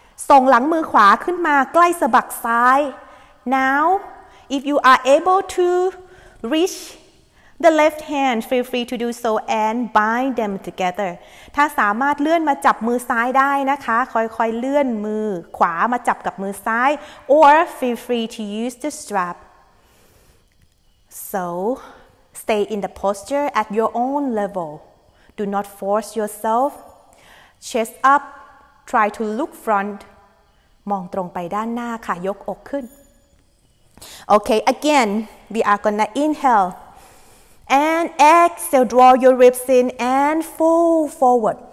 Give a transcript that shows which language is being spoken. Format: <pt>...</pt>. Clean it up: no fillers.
<th>ส่งหลังมือขวาขึ้นมาใกล้สะบักซ้าย.</th> <en>Now, if you are able to reach the left hand, feel free to do so and bind them together.</en> <th>ถ้าสามารถเลื่อนมาจับมือซ้ายได้นะคะ, ค่อยๆเลื่อนมือขวามาจับกับมือซ้าย.</th> <en>Or feel free to use the strap. So, stay in the posture at your own level. Do not force yourself. Chest up. Try to look front.</en> <th>มองตรงไปด้านหน้าค่ะ ยกอกขึ้น.</th> <en>Okay, again, we are gonna inhale. And exhale, draw your ribs in and fold forward.</en>